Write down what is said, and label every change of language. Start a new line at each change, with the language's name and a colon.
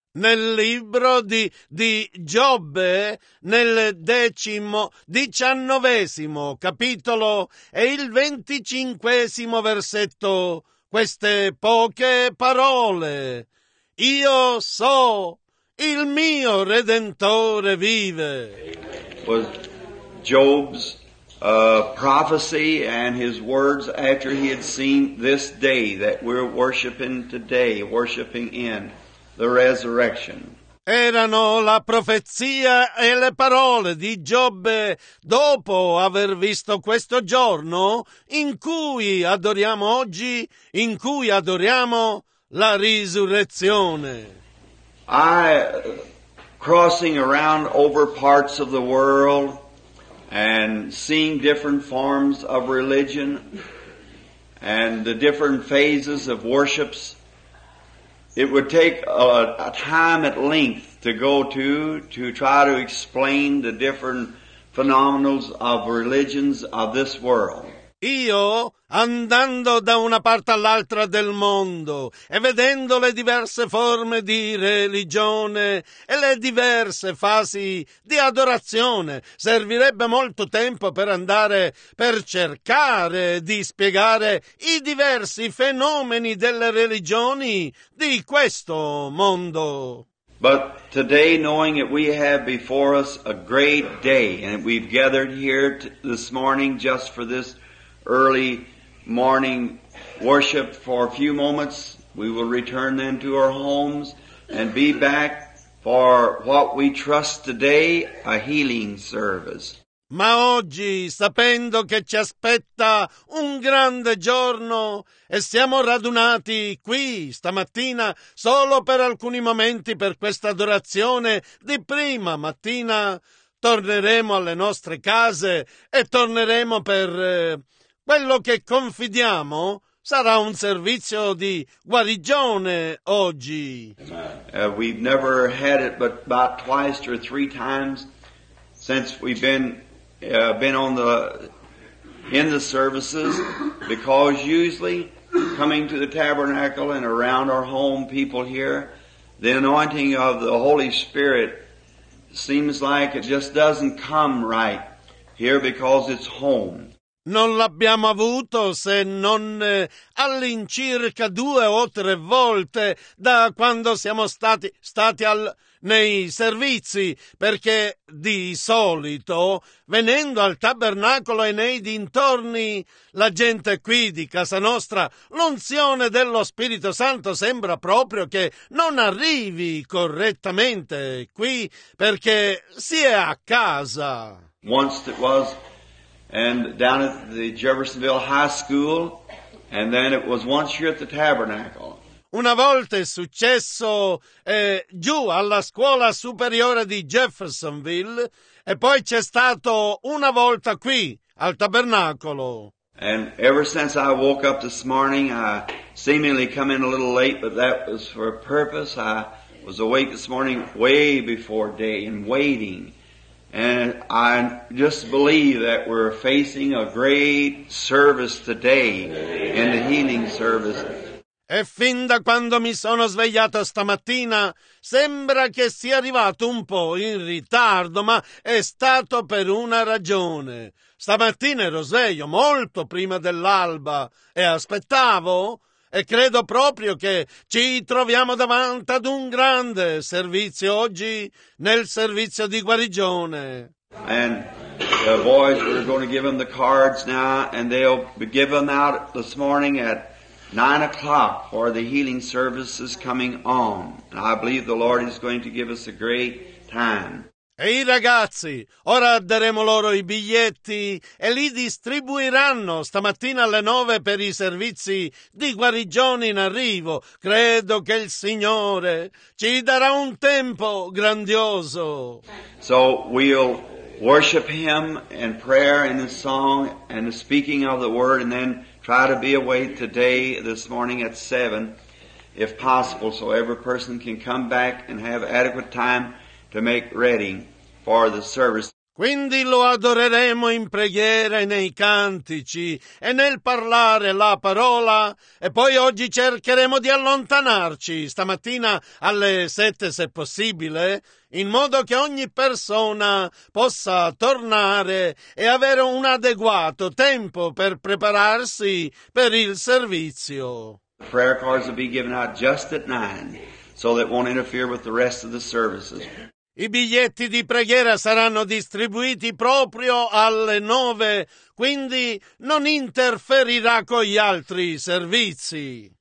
Italian: nel libro di Giobbe, nel 19° capitolo e il 25° versetto, queste poche parole. Io so, il mio Redentore vive.
English: Was Job's prophecy and his words after he had seen this day that we're worshiping today, worshiping in, the resurrection.
Italian: Erano la profezia e le parole di Giobbe dopo aver visto questo giorno in cui adoriamo oggi, in cui adoriamo la risurrezione.
English: I, crossing around over parts of the world and seeing different forms of religion and the different phases of worships, it would take a time at length to go to try to explain the different phenomena of religions of this world.
Italian: Io, andando da una parte all'altra del mondo e vedendo le diverse forme di religione e le diverse fasi di adorazione, servirebbe molto tempo per andare per cercare di spiegare i diversi fenomeni delle religioni di questo mondo.
English: But today, knowing that we have before us a great day and we've gathered here this morning just for this early morning worship for a few moments, we will return then to our homes and be back for what we trust today, a healing service.
Italian: Ma oggi, sapendo che ci aspetta un grande giorno e siamo radunati qui stamattina solo per alcuni momenti per questa adorazione di prima mattina, torneremo alle nostre case e torneremo per quello che confidiamo sarà un servizio di guarigione oggi.
English: We've never had it but about twice or three times since we've been on the in the services, because usually coming to the tabernacle and around our home people here, the anointing of the Holy Spirit seems like it just doesn't come right here because it's home.
Italian: Non l'abbiamo avuto se non all'incirca due o tre volte da quando siamo stati nei servizi, perché di solito venendo al tabernacolo e nei dintorni la gente qui di casa nostra, l'unzione dello Spirito Santo sembra proprio che non arrivi correttamente qui perché si è a casa.
English: Once it was and down at the Jeffersonville High School, and then it was once here at the Tabernacle.
Italian: Una volta è successo giù alla scuola superiore di Jeffersonville, e poi c'è stato una volta qui al Tabernacolo.
English: And ever since I woke up this morning, I seemingly come in a little late, but that was for a purpose. I was awake this morning way before day and waiting. And I just believe that we're facing a great service today in the healing service.
Italian: E fin da quando mi sono svegliato stamattina, sembra che sia arrivato un po' in ritardo, ma è stato per una ragione. Stamattina ero sveglio molto prima dell'alba e aspettavo, e credo proprio che ci troviamo davanti ad un grande servizio oggi, nel servizio di guarigione.
English: And the boys, we're going to give them the cards now, and they'll be given out this morning at 9 o'clock for the healing services coming on. And I believe the Lord is going to give us a great time.
Italian: E i ragazzi, ora daremo loro i biglietti e li distribuiranno stamattina alle 9 per i servizi di guarigione in arrivo. Credo che il Signore ci darà un tempo grandioso.
English: So we'll worship Him in prayer and in song and the speaking of the Word, and then try to be away today, this morning at 7, if possible, so every person can come back and have adequate time to make ready for the service.
Italian: Quindi lo adoreremo in preghiera e nei cantici e nel parlare la parola, e poi oggi cercheremo di allontanarci, stamattina alle 7 se possibile, in modo che ogni persona possa tornare e avere un adeguato tempo per prepararsi per il servizio.
English: Prayer cards will be given out just at 9, so that it won't interfere with the rest of the services.
Italian: I biglietti di preghiera saranno distribuiti proprio alle 9, quindi non interferirà con gli altri servizi.